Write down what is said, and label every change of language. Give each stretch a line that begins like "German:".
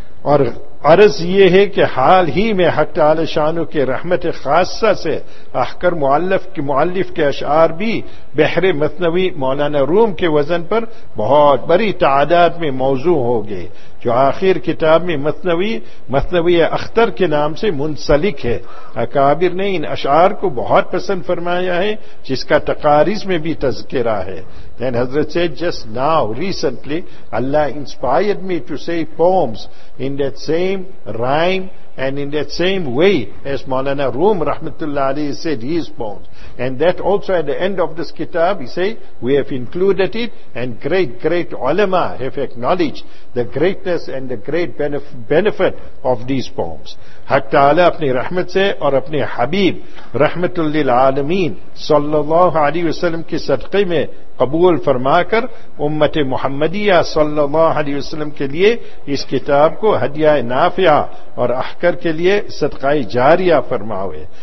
Urdu: اور عرض یہ ہے کہ حال ہی میں حق تعالی شانو کے رحمت خاصہ سے احکر مؤلف کے اشعار بھی بحر مثنوی مولانا روم کے وزن پر بہت بڑی تعداد میں موضوع ہو گئے، جو آخر کتاب میں مثنوی اختر کے نام سے منسلک ہے. اکابر نے ان اشعار کو بہت پسند فرمایا ہے، جس کا تقاریز میں بھی تذکرہ ہے.
English: Then
Urdu: حضرت سے
English: just now recently Allah inspired me to say poems in that same rhyme and in that same way as Maulana Rum Rahmatullah Alayhi said his poems. And that also at the end of this kitab he say we have included it, and great ulama have acknowledged the greatness and the great benefit of these poems.
Urdu: حق تعالیٰ اپنی رحمت سے اور اپنے حبیب رحمت للعالمین صلی اللہ علیہ وسلم کے صدقے میں قبول فرما کر امت محمدیہ صلی اللہ علیہ وسلم کے لیے اس کتاب کو ہدیہ نافعہ اور احکر کے لیے صدقہ جاریہ فرماوے.